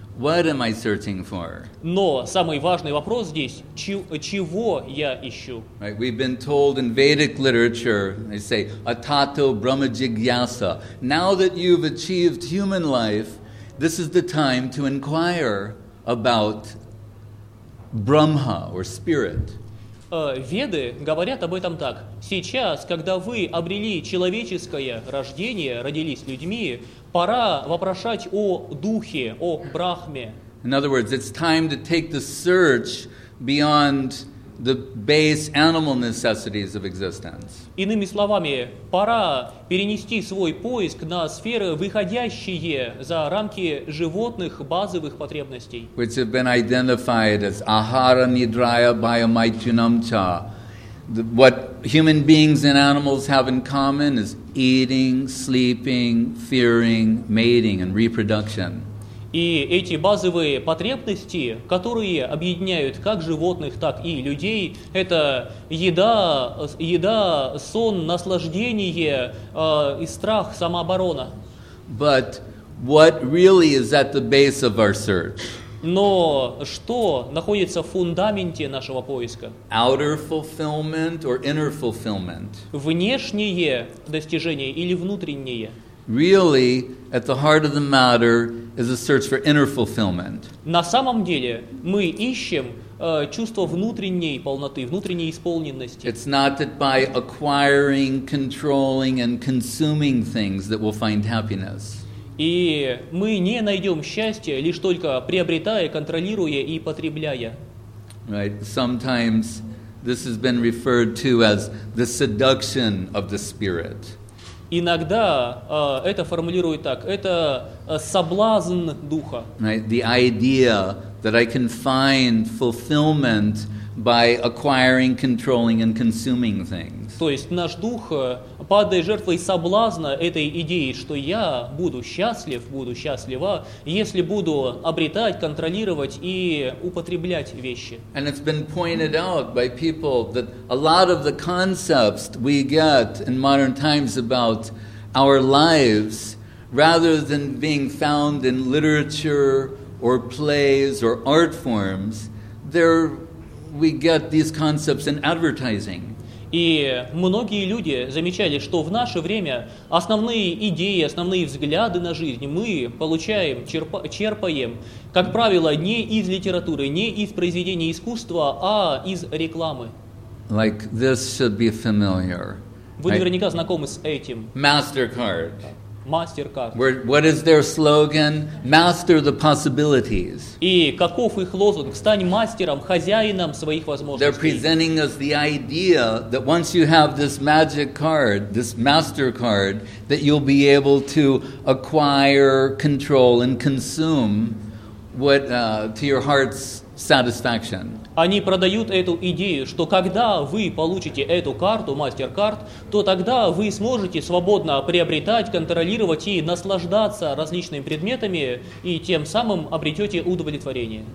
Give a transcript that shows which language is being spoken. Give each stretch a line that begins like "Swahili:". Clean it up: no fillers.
English: What am I searching for?
Russian: Но самый важный вопрос здесь, чего я ищу?
English: Right, we've been told in Vedic literature, they say,
Sanskrit: atato brahma jigyasa.
English: Now that you've achieved human life, this is the time to inquire about Brahma or spirit.
Russian: Веды говорят об этом так. Сейчас, когда вы обрели человеческое рождение, родились людьми, пора вопрошать о духе, о брахме.
English: In other words, it's time to take the search beyond the base animal necessities of existence.
Russian: Иными словами, пора перенести свой поиск на сферы, выходящие за рамки животных базовых потребностей.
English: Which have been identified as
Sanskrit: ahara nidraya bhayamaitunamcha.
English: What human beings and animals have in common is eating, sleeping, fearing, mating, and reproduction.
Russian: И эти базовые потребности, которые объединяют как животных, так и людей, это еда, сон, наслаждение, и страх, самооборона.
English: But what really is at the base of our search?
Russian: Но что находится в фундаменте нашего поиска?
English: Outer fulfillment or inner fulfillment?
Russian: Внешние достижения или внутренние?
English: Really, at the heart of the matter is a search for inner fulfillment.
Russian: На самом деле мы ищем чувство внутренней полноты, внутренней исполненности.
English: It's not that by acquiring, controlling, and consuming things that we'll find happiness.
Russian: И мы не найдем счастья лишь только приобретая, контролируя и потребляя.
English: Right. Sometimes this has been referred to as the seduction of the spirit.
Russian: Иногда это формулируют так. Это соблазн духа.
English: Right, the idea that I can find fulfillment by acquiring, controlling, and consuming things.
Russian: То есть наш дух падает жертвой соблазна этой идеи, что я буду счастлив, буду счастлива, если буду обретать, контролировать и употреблять вещи.
English: And it's been pointed out by people that a lot of the concepts we get in modern times about our lives, rather than being found in literature or plays or art forms, we get these concepts in advertising.
Russian: И многие люди замечали, что в наше время основные идеи, основные взгляды на жизнь мы получаем, черпаем, как правило, не из литературы, не из произведений искусства, а из рекламы.
English: Like this should be familiar.
Russian: Вы наверняка знакомы с этим.
English: MasterCard.
Russian: MasterCard.
English: What is their slogan? Master the possibilities.
Russian: И каков их лозунг? Стань мастером, хозяином своих возможностей.
English: They're presenting us the idea that once you have this magic card, this MasterCard, that you'll be able to acquire, control, and consume what to your heart's satisfaction.
Russian: Они продают эту идею, что когда вы получите эту карту, MasterCard, то тогда вы сможете свободно приобретать, контролировать и наслаждаться различными предметами, и тем самым обретете удовлетворение.